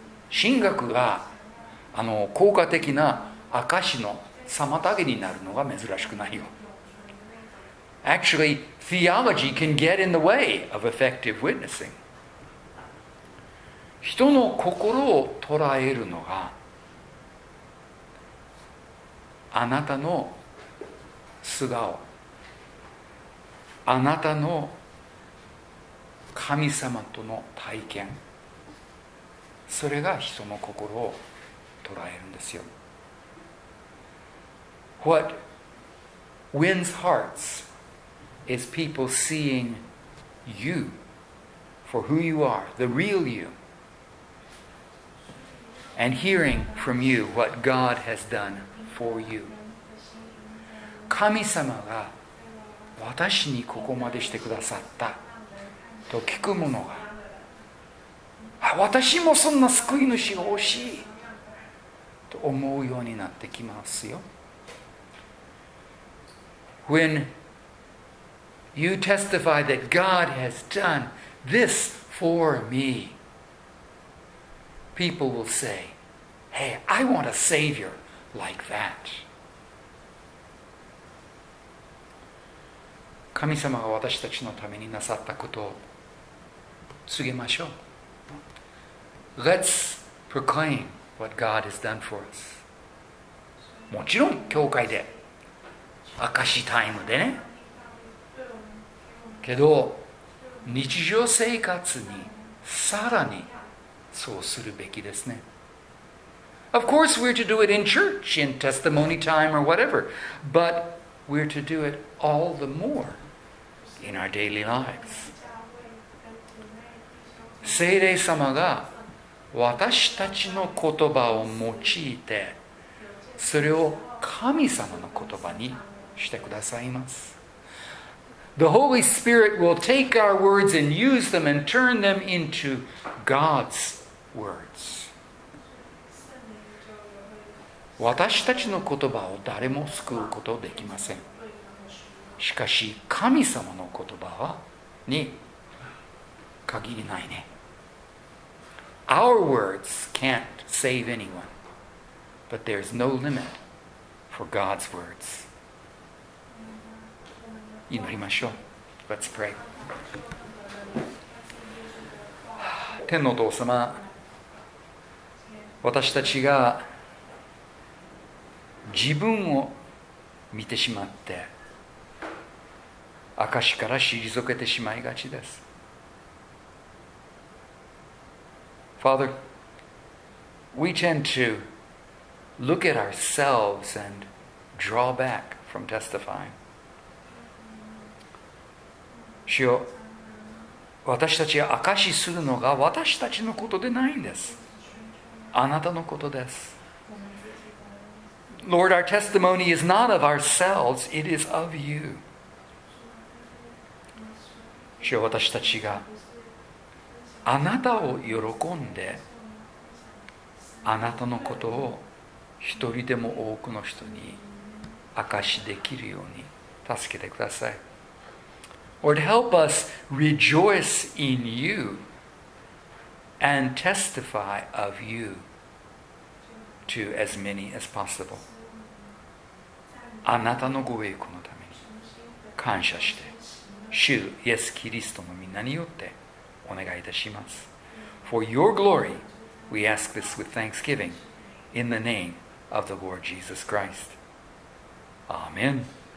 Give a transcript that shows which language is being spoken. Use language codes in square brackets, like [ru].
[ja] 神学が効果的な証の妨げになるのが珍しくないよ。 [en] Actually, theology can get in the way of effective witnessing. [ja] 人の心を捉えるのがあなたの素顔、あなたの神様との体験、それが人の心を捉えるんですよ。 [en] What wins hearts is people seeing you for who you are, the real you, and hearing from you what God has done for you. [ja] 神様が私にここまでしてくださったと聞く者が、私もそんな救い主が欲しいと思うようになってきますよ。 [en] When you testify that God has done this for me, people will say, Hey, I want a savior like that. [ja] 神様が私たちのためになさったことを告げましょう。 [en] Let's proclaim what God has done for us. [ja] もちろん教会で証しタイムでね。けど日常生活にさらにそうするべきですね。 [en] Of course we're to do it in church, in testimony time or whatever, but we're to do it all the more. In our daily lives. [ja] 聖霊様が私たちの言葉を用いて、それを神様の言葉にしてくださいます。 [en] The Holy Spirit will take our words and use them and turn them into God's words. [ja] 私たちの言葉を誰も救うことできません。しかし神様の言葉はに限りないね。 [en] Our words can't save anyone, but there's no limit for God's words. [ja] 祈りましょう。 [en] Let's pray. [ja] 天のお父様、私たちが自分を見てしまって証から退けてしまいがちです。 [en] Father, we tend to look at ourselves and draw back from testifying. [ja] 主よ、私たちが証しするのが私たちのことでないんです。あなたのことです。 [en] Lord, our testimony is not of ourselves, it is of you. [ja] 主よ、私たちがあなたを喜んで、あなたのことを一人でも多くの人に証しできるように助けてください。 [en] Lord, help us rejoice in you and testify of you to as many as possible. [ja] あなたのご栄光のために感謝して、主イエス・キリストのみんなによってお願いいたします。 [en] For your glory, we ask this with thanksgiving in the name of the Lord Jesus Christ. Amen.